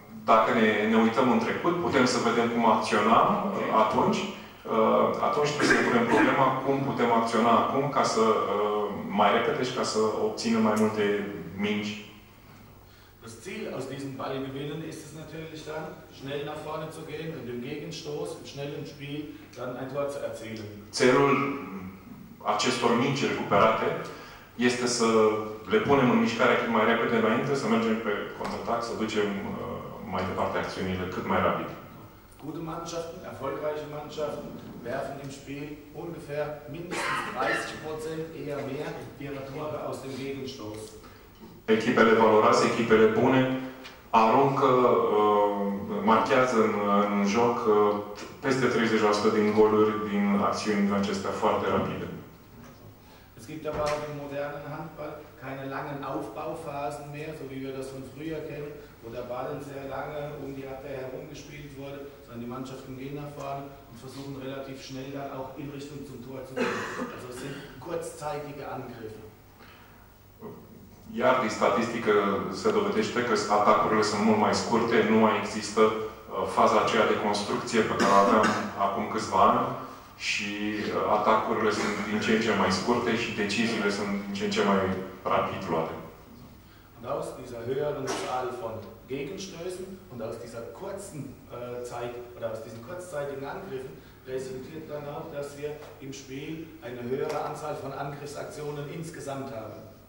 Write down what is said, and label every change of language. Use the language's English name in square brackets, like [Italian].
[Romanian] Dacă ne uităm în trecut, putem să vedem cum acționam atunci. Atunci trebuie să punem problema cum putem acționa acum ca să mai repede și ca să obținem mai multe mingi. [German] Das Ziel aus diesen Ballgewinnen ist es natürlich dann, schnell nach vorne zu gehen und im Gegenstoß, im schnellen Spiel, dann ein Tor zu erzielen. [Romanian] Țelul acestor mingi recuperate este să le punem în mișcare cât mai repede înainte, să mergem pe contraatac, să ducem mai departe acțiunile cât mai rapid. [German] Gute Mannschaften, erfolgreiche Mannschaften werfen im Spiel ungefähr mindestens 30% eher mehr ihre Tore aus dem Gegenstoß. [Romanian] Echipele valoroase, echipele bune, aruncă, marchează în joc peste 30% din goluri, din acțiuni din acestea foarte rapide. [German] Es gibt aber auch im modernen Handball keine langen Aufbauphasen mehr, so wie wir das von früher kennen, wo der Ball sehr lange um die Abwehr herum gespielt wurde, sondern die Mannschaften gehen nach vorne und versuchen relativ schnell dann auch in Richtung zum Tor zu gehen. Also es sind kurzzeitige Angriffe. [Romanian] Iar din statistică se dovedește că atacurile sunt mult mai scurte, nu mai există faza aceea de construcție pe care o aveam acum câțiva ani și atacurile sunt din ce în ce mai scurte și deciziile sunt din ce în ce mai rapid luate. [German] Und aus dieser höheren Zahl von Gegenstößen und aus dieser kurzen Zeit oder aus diesen kurzzeitigen Angriffen resultiert dann auch, dass wir im Spiel eine höhere Anzahl von Angriffsaktionen insgesamt haben.